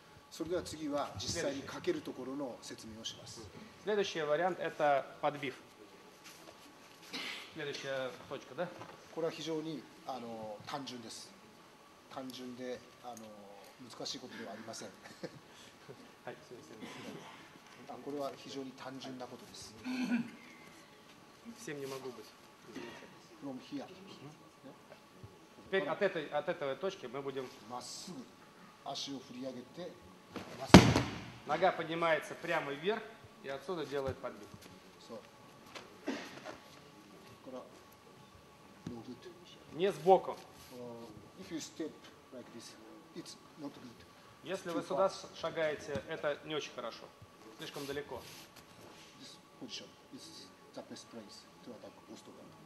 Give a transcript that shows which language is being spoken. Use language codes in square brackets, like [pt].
[ja] それでは次は実際にかけるところの説明をします。 [ru] Следующий вариант – это подбив. Следующая точка, да? [ja] これは非常に単純です。単純で難しいことではありません。はい、すみません。これは非常に単純なことです。 [ru] Всем не могу быть. [en] From here. [ru] Теперь от этой точки мы будем [ja] まっすぐ足を振り上げて。 [ru] Нога поднимается прямо вверх и отсюда делает подбив. [en] So. good. [ru] Не сбоку. [en] If you step like this, it's not good. [ru] Если вы сюда шагаете, это не очень хорошо. Слишком далеко. [en] This position is the best place to attack Ustoga.